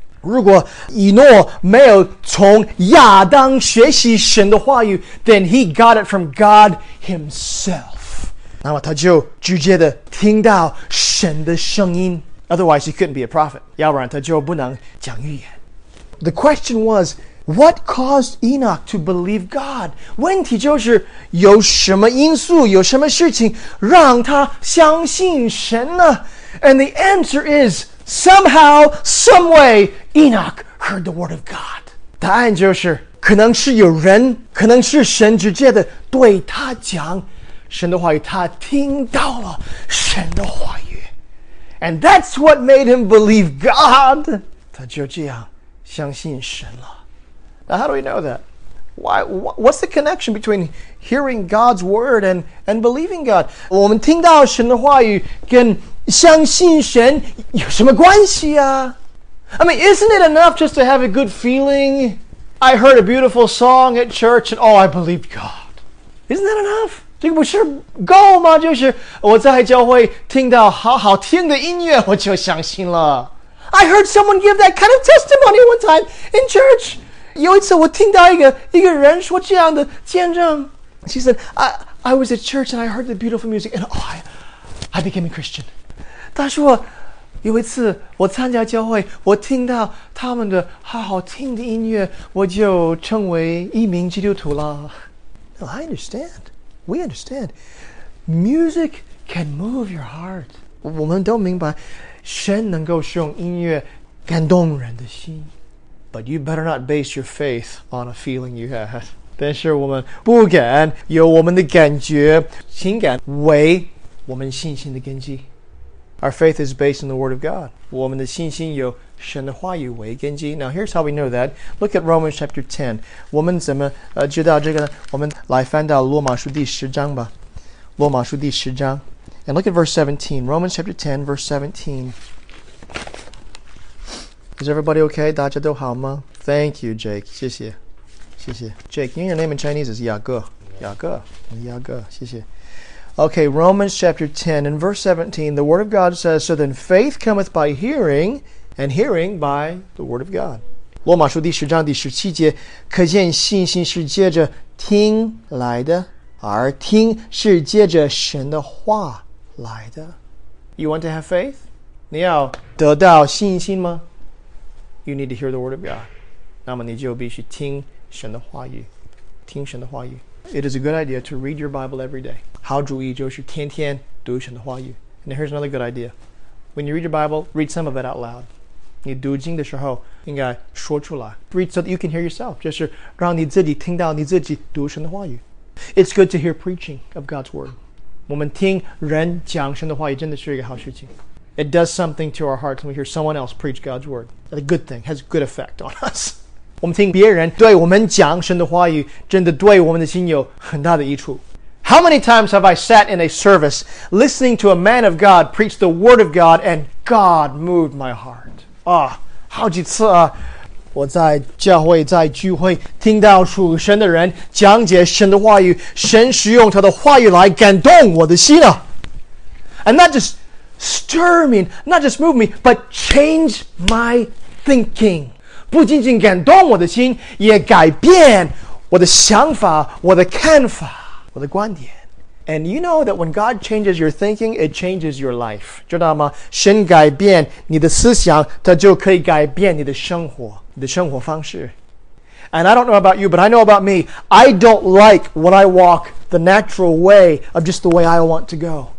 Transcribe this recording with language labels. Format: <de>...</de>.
<zh>如果以诺没有从亚当学习神的话语</zh> <en>then he got it from God himself.</en> <zh>那么他就直接的听到神的声音</zh> <en>Otherwise he couldn't be a prophet.</en> <zh>要不然他就不能讲预言。</zh> <en>The question was, what caused Enoch to believe God?</en> <zh>问题就是有什么因素有什么事情让他相信神呢？</zh> <en>And the answer is, somehow, some way, Enoch heard the word of God.</en> <zh>答案就是可能是有人可能是神直接的对他讲神的话语他听到了神的话语。</zh> <en>And that's what made him believe God.</en> <zh>他就这样相信神了。</zh> <en>Now, how do we know that? Why, what's the connection between hearing God's word and believing God?</en> <zh>我们听到神的话语跟相信神有什么关系啊?</zh> <en>I mean, isn't it enough just to have a good feeling? I heard a beautiful song at church and, oh, I believed God. Isn't that enough?</en> <zh>这个不是够吗? 就是我在教会听到好好听的音乐我就相信了。</zh> <en>I heard someone give that kind of testimony one time in church.</en> <zh>有一次我听到一个人说这样的见证。</zh> <en>She said, I was at church and I heard the beautiful music and, oh, I became a Christian.</en> <zh>他说有一次我参加教会我听到他们的好好听的音乐我就成为一名基督徒了。</zh> <en>No, I understand. We understand. Music can move your heart.</en> <zh>我们都明白神能够使用音乐感动人的心。</zh> <en>But you better not base your faith on a feeling you had.</en> <zh>但是我们不敢由我们的感觉情感为我们信心的根基。</zh> <en>Our faith is based on the Word of God.</en> <zh>我们的信心有神的话语为根基。</zh> <en>Now, here's how we know that. Look at Romans chapter 10.</en> <zh>我们怎么知道这个呢？我们来翻到罗马书第十章吧。罗马书第十章。</zh> <en>And look at verse 17. Romans chapter 10, verse 17. Is everybody okay?</en> <zh>大家都好吗？</zh> <en>Thank you, Jake.</en> <zh>谢谢。谢谢。</zh> <en>Jake, you know your name in Chinese is 雅各。</en> <zh>雅各。雅各。谢谢。</zh> <en>Okay, Romans chapter 10 and verse 17, the Word of God says, So then faith cometh by hearing, and hearing by the Word of God.</en> <zh>罗马书第十章第十七节，可见信心是借着听来的，而听是借着神的话来的。</zh> <en>You want to have faith?</en> <zh>你要得到信心吗？</zh> <en>You need to hear the Word of God.</en> <zh>那么你就必须听神的话语，听神的话语。</zh> <en>It is a good idea to read your Bible every day.</en> <zh>好主意就是天天读神的话语。</zh> <en>And here's another good idea. When you read your Bible, read some of it out loud.</en> <zh>你读经的时候应该说出来。</zh> <en>Read so that you can hear yourself.</en> <zh>就是让你自己听到你自己读神的话语。</zh> <en>It's good to hear preaching of God's Word.</en> <zh>我们听人讲神的话语真的是一个好事情。</zh> <en>It does something to our hearts when we hear someone else preach God's Word. It's a good thing. It has a good effect on us.</en> <zh>我们听别人对我们讲神的话语真的对我们的心有很大的益处。</zh> <en>How many times have I sat in a service listening to a man of God preach the word of God and God moved my heart?</en> <zh>好几次啊，我在教会在聚会听到属神的人讲解神的话语，神使用他的话语来感动我的心啊。</zh> <en>And not just stir me, not just move me, but change my thinking.</en> <zh>不仅仅感动我的心，也改变我的想法、我的看法、我的观点。</zh> <en>And you know that when God changes your thinking, it changes your life.</en> <zh>知道吗？神改变你的思想，它就可以改变你的生活、你的生活方式。</zh> <en>And I don't know about you, but I know about me. I don't like when I walk the natural way of just the way I want to go.</en>